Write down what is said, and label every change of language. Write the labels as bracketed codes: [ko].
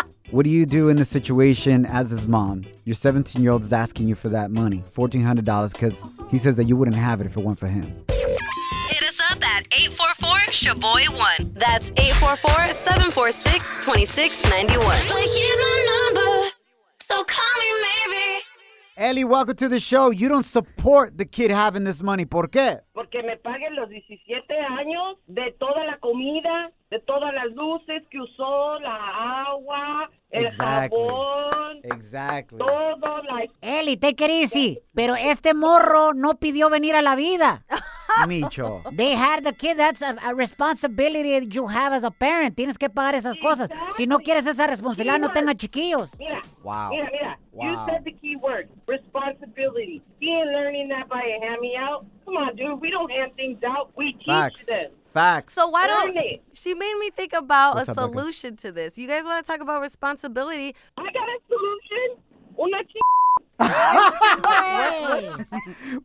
[en] What do you do in a situation as his mom? Your 17-year-old is asking you for that money, $1,400, because he says that you wouldn't have it if it weren't for him. Hit us up at 844-SHABOY1. That's 844-746-2691. But here's my number, so call me maybe. Ellie, welcome to the show. You don't support the kid having this money. [es] ¿Por qué? Porque me paguen los 17 años de toda la comida, de todas las luces que usó, la agua, [en] exactly. [es] El jabón. [en] Exactly. [es] Todo, [en] like... Ellie, take it easy. [es] Pero este morro no pidió venir a la vida. Micho. [en] They had the kid. That's a responsibility that you have as a parent. [es] Tienes que pagar esas cosas. Si no quieres esa responsabilidad, no tengas chiquillos. [en] Wow. You said the key word, responsibility. He ain't learning that by a hammy out. Come on, dude. We don't hand things out. We teach them. Facts. So why don't... She made me think about a solution to this. You guys want to talk about responsibility? I got a solution. [es] Una ch...